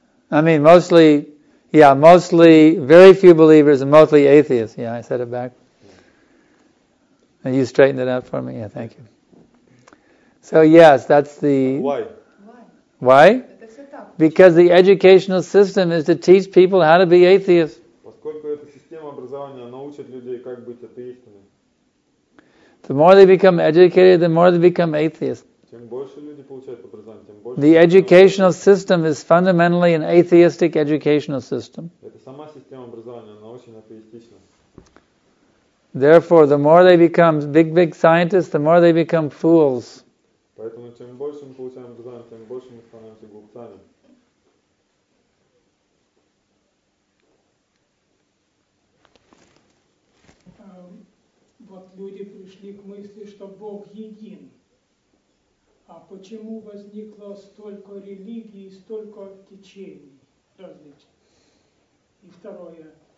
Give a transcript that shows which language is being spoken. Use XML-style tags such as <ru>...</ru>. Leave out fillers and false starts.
<en>I mean, mostly very few believers and mostly atheists. Yeah, I said it back. And you straightened it out for me. Yeah, thank you. So, yes, that's the... Why? Why? Because the educational system is to teach people how to be atheists.</en> <ru>Поскольку эта система образования научит людей, как быть атеистами.</ru> <en>The more they become educated, the more they become atheists.</en> <ru>Чем больше люди получают образование, тем больше.</ru> <en>The educational system is fundamentally an atheistic educational system.</en> <ru>Это сама система образования, она очень атеистична.</ru> <en>Therefore, the more they become big scientists, the more they become fools.</en> <ru>Поэтому чем больше мы получаем образование, тем больше мы становимся глупцами. Вот люди пришли к мысли, что Бог един. А почему возникло столько религий, столько течений различных? И второе.</ru>